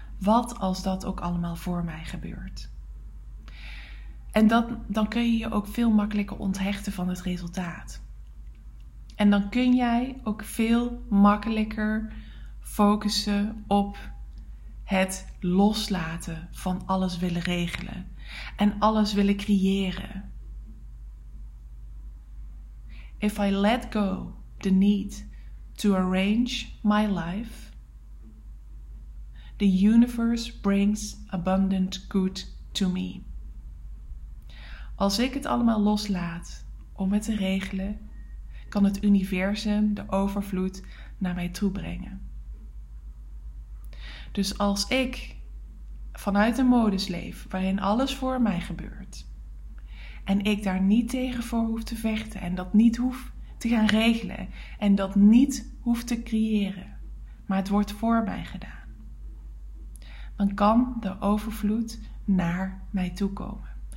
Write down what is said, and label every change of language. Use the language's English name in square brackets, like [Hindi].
[Dutch] Wat als dat ook allemaal voor mij gebeurt? En dan kun je je ook veel makkelijker onthechten van het resultaat. En dan kun jij ook veel makkelijker focussen op het loslaten van alles willen regelen. En alles willen creëren. [English] If I let go the need to arrange my life, the universe brings abundant good to me. [Dutch] Als ik het allemaal loslaat om het te regelen, kan het universum de overvloed naar mij toe brengen. Dus als ik vanuit een modus leef waarin alles voor mij gebeurt en ik daar niet tegen voor hoef te vechten en dat niet hoef te gaan regelen en dat niet hoeft te creëren, maar het wordt voor mij gedaan, dan kan de overvloed naar mij toe komen.